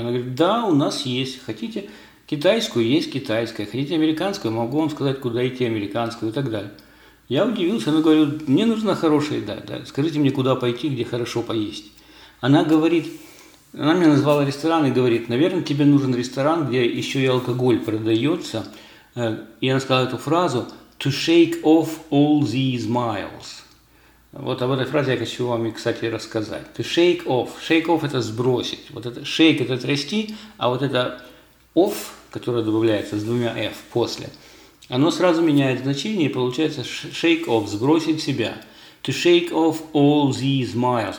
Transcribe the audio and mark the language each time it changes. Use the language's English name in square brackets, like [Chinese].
[Russian] Она говорит, да, у нас есть, хотите китайскую, есть китайская, хотите американскую, могу вам сказать, куда идти американскую и так далее. Я удивился, она говорит, мне нужна хорошая еда, да, скажите мне, куда пойти, где хорошо поесть. Она мне назвала ресторан и говорит, наверное, тебе нужен ресторан, где еще и алкоголь продается. И она сказала эту фразу, [English] to shake off all these miles. [Russian] Вот об этой фразе я хочу вам, кстати, рассказать. [English] To shake off. [Russian] Shake off – это сбросить. Вот это shake – это трясти, а вот это off, которое добавляется с двумя f после, оно сразу меняет значение, и получается shake off – сбросить себя. [English] To shake off all these miles.